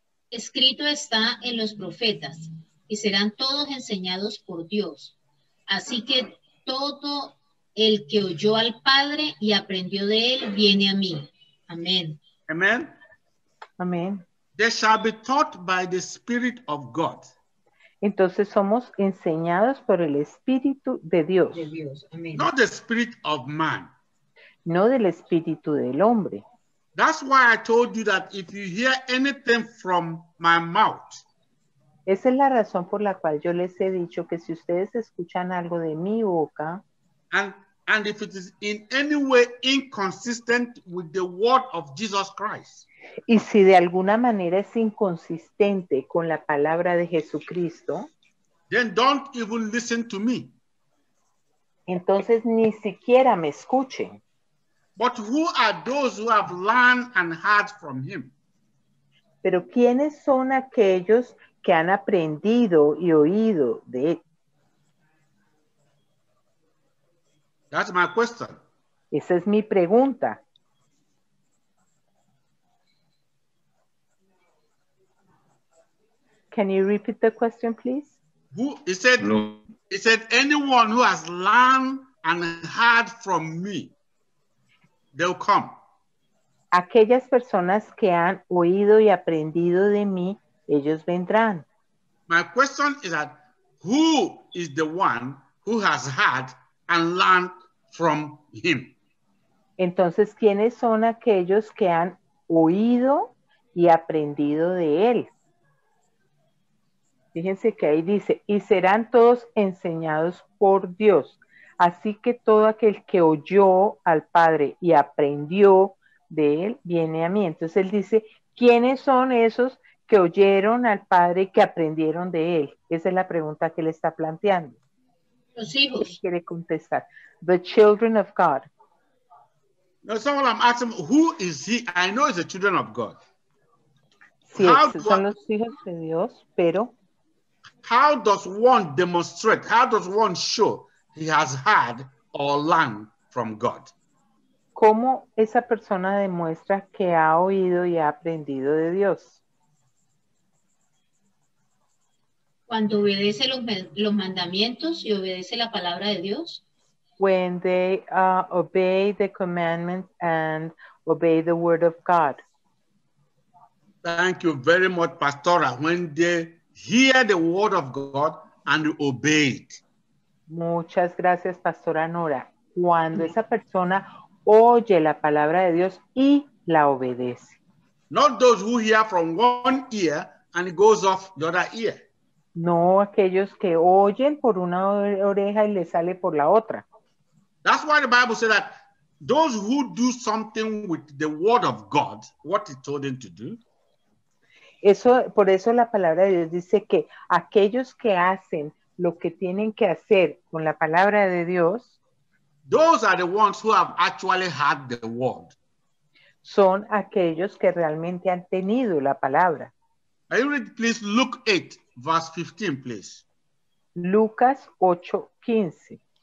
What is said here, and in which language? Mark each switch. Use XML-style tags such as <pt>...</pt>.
<es>Escrito está en los profetas, y serán todos enseñados por Dios. Así que todo el que oyó al Padre y aprendió de él, viene a mí. Amén. Amén. Amén.</es> <en>They shall be taught by the Spirit of God.</en> <es>Entonces somos enseñados por el Espíritu de Dios. De Dios. Amén.</es> <en>Not the Spirit of man.</en> <es>No del Espíritu del hombre.</es> <en>That's why I told you that if you hear anything from my mouth.</en> <es>Esa es la razón por la cual yo les he dicho que si ustedes escuchan algo de mi boca.</es> <en>And if it is in any way inconsistent with the word of Jesus Christ.</en> <es>Y si de alguna manera es inconsistente con la palabra de Jesucristo.</es> <en>Then don't even listen to me.</en> <es>Entonces ni siquiera me escuchen.</es> <en>But who are those who have learned and heard from him?</en> <es>Pero ¿quiénes son aquellos que han aprendido y oído de él?</es> <en>That's my question.</en> <es>Esa es mi pregunta.</es> <en>Can you repeat the question, please? He said, anyone who has learned and heard from me. They'll come.</en> <es>Aquellas personas que han oído y aprendido de mí, ellos vendrán.</es> <en>My question is that who is the one who has heard and learned from him?</en> <es>Entonces, ¿quiénes son aquellos que han oído y aprendido de él? Fíjense que ahí dice, y serán todos enseñados por Dios. Así que todo aquel que oyó al Padre y aprendió de él, viene a mí. Entonces él dice, ¿quiénes son esos que oyeron al Padre y que aprendieron de él? Esa es la pregunta que él está planteando. Los hijos. ¿Qué quiere contestar?</es> <en>The children of God. No, someone I'm asking, who is he? I know it's the children of God.</en> <es>Sí, son los hijos de Dios, pero...</es> <en>How does one demonstrate? How does one show? He has heard or learned from God.</en> <es>¿Cómo esa persona demuestra que ha oído y ha aprendido de Dios? Cuando obedece los mandamientos y obedece la palabra de Dios.</es> <en>When they obey the commandments and obey the word of God. Thank you very much, Pastora. When they hear the word of God and obey it.</en> <es>Muchas gracias, Pastora Nora. Cuando esa persona oye la palabra de Dios y la obedece.</es> <en>Not those who hear from one ear and it goes off the other ear.</en> <es>No aquellos que oyen por una oreja y le sale por la otra.</es> <en>That's why the Bible says that those who do something with the word of God, what it told them to do.</en> <es>Eso, por eso la palabra de Dios dice que aquellos que hacen lo que tienen que hacer con la palabra de Dios.</es> <en>Those are the ones who have actually had the word.</en> <es>Son aquellos que realmente han tenido la palabra.</es> <en>Can you read, please, Luke 8, verse 15, please?</en> <es>Lucas 8, 15.</es>